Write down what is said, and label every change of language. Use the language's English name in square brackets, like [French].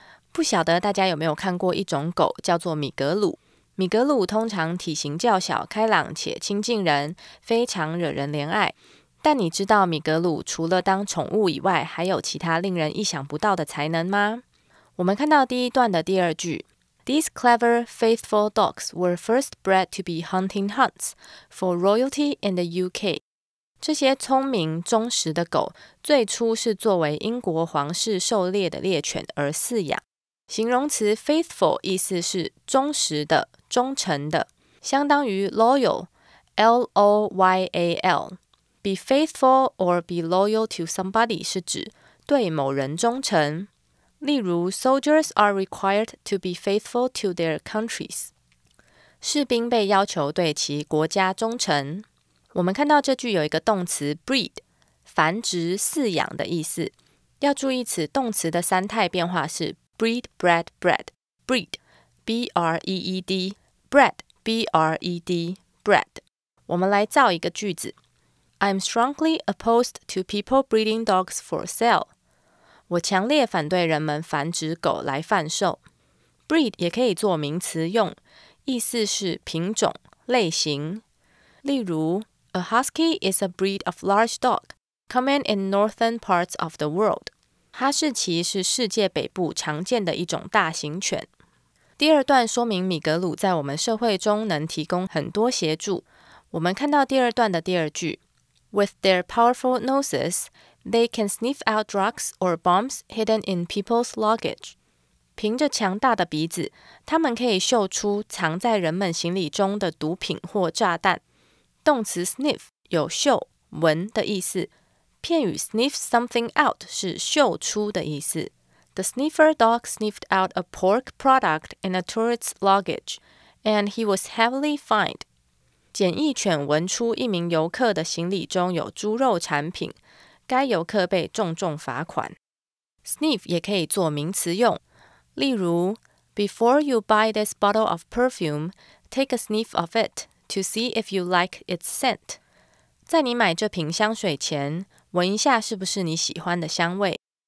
[Chinese] 不晓得大家有没有看过一种狗叫做米格鲁。米格鲁通常体型较小，开朗且亲近人，非常惹人怜爱。但你知道米格鲁除了当宠物以外，还有其他令人意想不到的才能吗？ [English] 我们看到第一段的第二句， These clever, faithful dogs were first bred to be hunting hounds for royalty in the UK. [Chinese] 这些聪明忠实的狗最初是作为英国皇室狩猎的猎犬而饲养。形容词 faithful 意思是忠实的、忠诚的，相当于 loyal, L-O-Y-A-L. Be faithful or be loyal to somebody 是指对某人忠诚。 [English] 例如 soldiers are required to be faithful to their countries. [Chinese] 士兵被要求对其国家忠诚。我们看到这句有一个动词 breed, 繁殖、饲养的意思。要注意此动词的三态变化是breed, bred, bred, breed, B-R-E-E-D, bred, B-R-E-D, bred. 我们来造一个句子。 [English] I'm strongly opposed to people breeding dogs for sale. [Chinese] 我强烈反对人们繁殖狗来贩售。Breed 也可以做名词用，意思是品种、类型。 [English] 例如 A husky is a breed of large dog, common in northern parts of the world. [Chinese] 哈士奇是世界北部常见的一种大型犬。第二段说明米格鲁在我们社会中能提供很多协助。 [English] 我们看到第二段的第二句 With their powerful noses, they can sniff out drugs or bombs hidden in people's luggage. [Chinese] 凭着强大的鼻子，他们可以嗅出藏在人们行李中的毒品或炸弹。动词 sniff 有嗅、闻的意思。片语 sniff something out 是嗅出的意思。 [English] The sniffer dog sniffed out a pork product in a tourist's luggage, and he was heavily fined. [Chinese] 检疫犬闻出一名游客的行李中有猪肉产品，该游客被重重罚款。 [English] Sniff 也可以做名词用，例如 Before you buy this bottle of perfume, take a sniff of it to see if you like its scent. [Chinese] 在你买这瓶香水前，闻一下是不是你喜欢的香味。